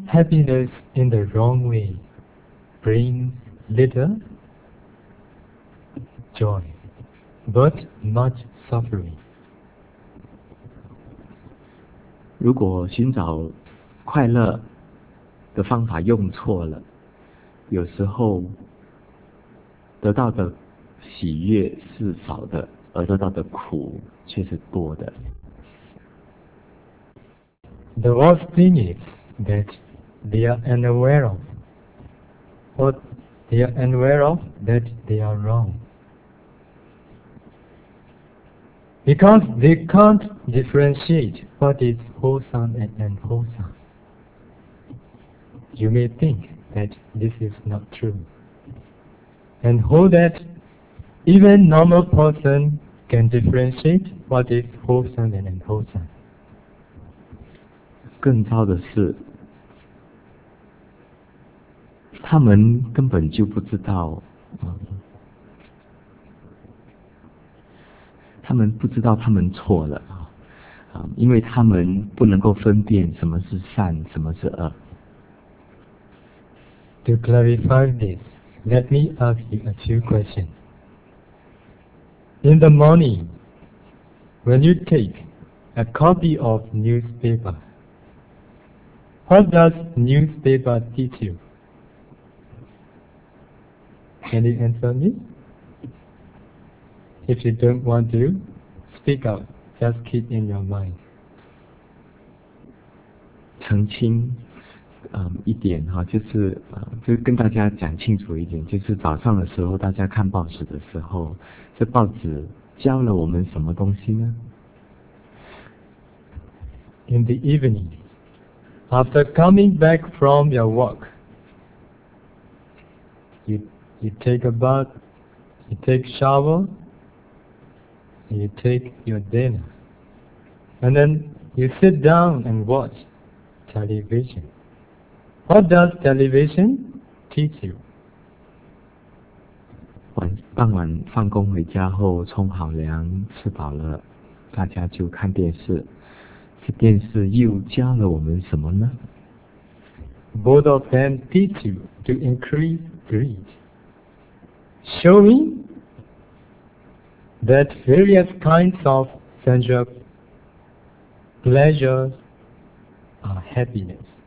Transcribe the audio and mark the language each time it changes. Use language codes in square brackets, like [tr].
[en] Happiness in the wrong way brings little joy, but much suffering. [zh] 如果寻找快乐的方法用错了，有时候得到的喜悦是少的，而得到的苦却是多的。 [en] The worst thing is that. They are unaware of what they are unaware of that they are wrong. Because they can't differentiate what is wholesome and unwholesome. You may think that this is not true. And hold that even normal person can differentiate what is wholesome and unwholesome. [zh] 更糟的是他们根本就不知道，他们不知道他们错了啊，因为他们不能够分辨什么是善，什么是恶。 [en] To clarify this, let me ask you a few questions. In the morning, when you take a copy of newspaper, what does newspaper teach you? Can you answer me? If you don't want to, speak out. Just keep in your mind. [zh] 澄清，一点哈，就是就是跟大家讲清楚一点，就是早上的时候大家看报纸的时候，这报纸教了我们什么东西呢？ [en] In the evening, after coming back from your walk, you take a bath, you take shower, and you take your dinner. And then you sit down and watch television. What does television teach you? [zh] 傍晚放工回家后，冲好凉，吃饱了，大家就看电视。这电视又教了我们什么呢？ [en] Both of them teach you to increase greed, showing that various kinds of sensual pleasures are happiness.